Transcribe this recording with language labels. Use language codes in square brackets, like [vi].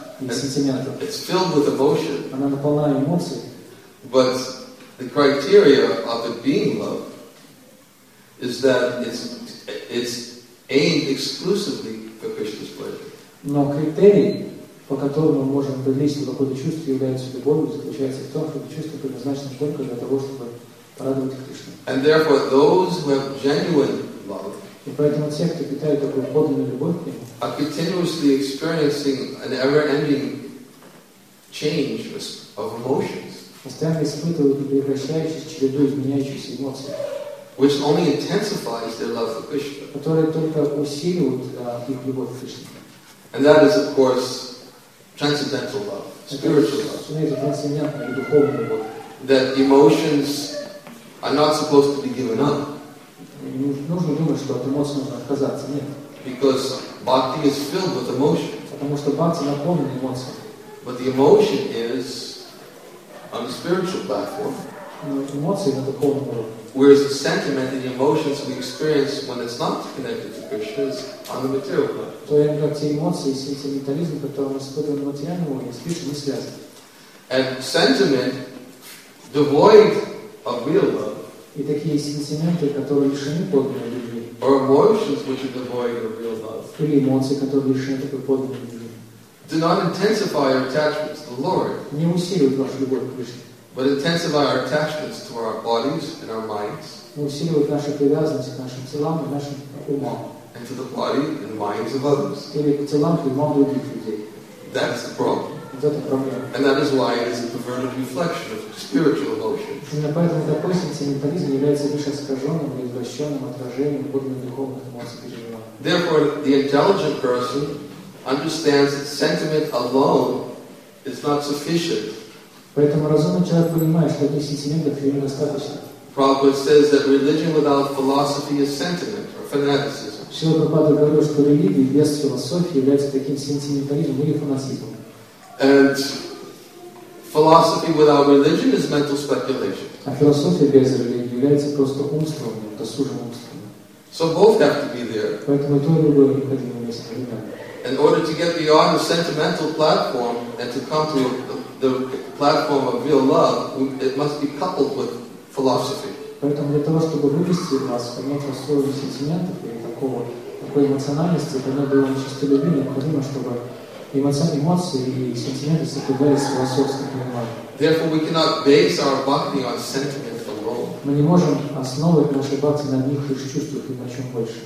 [en] It's filled with emotion. [ru] Она наполна эмоциями. [en] But the criteria of it being love is that it's aimed exclusively for Krishna's pleasure. [ru] Но критерий, по которому мы можем подвести какое-то чувство, является любовью, заключается в том, что это чувство предназначено только для того, чтобы порадовать Кришну. [en] And therefore, those who have genuine love. [ru] И поэтому те, кто питает такую подлинную любовь к нему, [en] are continuously experiencing an ever-ending change of emotions. [ru] Постоянно испытывают непрекращающуюся череду изменяющихся эмоций. [en] Which only intensifies their love for Krishna. [ru] Которые только усиливают их любовь к Кришне. [en] And that is, of course, transcendental love, spiritual love. [ru] Это трансцендентная духовная любовь. [en] That emotions are not supposed to be given up. [ru] Нужно думать, что от эмоций нужно отказаться. Нет. [en] Because bhakti is filled with emotion. [ru] Потому что бхакти наполнен эмоциями. [en] But the emotion is on the spiritual platform. [ru] Но эмоции на духовном уровне. [en] Whereas the sentiment and the emotions we experience when it's not connected to Krishna is on the material platform. [ru] То есть эмоции и сентиментализм, которые мы испытываем на материальном уровне, с Кришной не связаны. [en] And sentiment devoid of real love. [ru] И такие сентименты, которые лишены подлинной любви. [en] Or emotions which are devoid of real love. [ru] Или эмоции, которые лишены такой подлинной любви. [en] Do not intensify our attachments to the Lord. [ru] Не усиливают нашу любовь к Кришне. [en] But intensify our attachments to our bodies and our minds. [ru] Не усиливают наши привязанности к нашим телам и нашим умам. [en] And to the body and minds of others. [ru] Или к телам и умам других людей. [en] That's the problem. And that is why it is a perverted reflection of spiritual emotions. [ru] Именно поэтому такой сентиментализм является лишь искаженным и извращенным отражением подлинных духовных эмоций. [en] Therefore, the intelligent person understands that sentiment alone is not sufficient. [ru] Поэтому разумный человек понимает, что одних сентиментов недостаточно. [en] Prabhupada says that religion without philosophy is sentiment or fanaticism. [ru] Шрила Прабхупада говорил, что религия без философии является таким сентиментализмом или фанатизмом. [en] And philosophy without religion is mental speculation. [ru] А философия без религии является просто умством, досужим умством. [en] So both have to be there. [ru] Поэтому то и другое необходимо вместе. [en] In order to get beyond the sentimental platform and to come to the platform of real love, it must be coupled with philosophy. [ru] Поэтому для того, чтобы вывести нас, понять вас уровень сентиментов и такой эмоциональности, когда было чувство любви, необходимо, чтобы эмоции и сентименты соответствуют своему собственному пониманию. [en] Therefore, we cannot base our bhakti on sentiment alone. [ru] Мы не можем основывать наши бхакти на одних лишь чувствах и на чем больше.